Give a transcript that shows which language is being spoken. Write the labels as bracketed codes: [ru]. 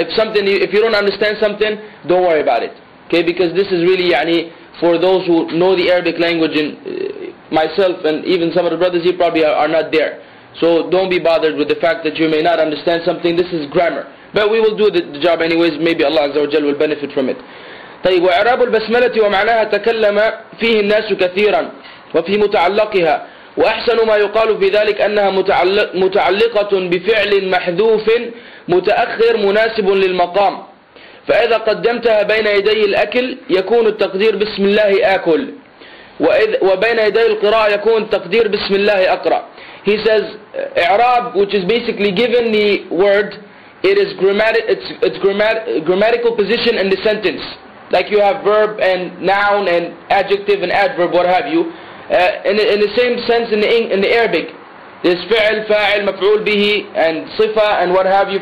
[en] If you don't understand something, don't worry about it. Okay, because this is really for those who know the Arabic language, and myself and even some of the brothers here probably are not there. So don't be bothered with the fact that you may not understand something. This is grammar. But we will do the job anyways. Maybe Allah Azza wa Jal will benefit from it. [ar] طيب وإعراب البسملة ومعناها تكلم فيه الناس كثيرا وفي متعلقها وأحسن ما يقال في ذلك أنها متعلقة بفعل محذوف متأخر مناسب للمقام فإذا قدمتها بين يدي الأكل يكون التقدير بسم الله آكل وبين يدي القراءة يكون التقدير بسم الله أقرأ. [en] He says إعراب, which is basically given the word, it is grammatical position in the sentence. Like you have verb and noun and adjective and adverb, what have you. In the same sense in the Arabic, there's fi'l, fa'il, maf'ul bihi, and sifa, and what have you.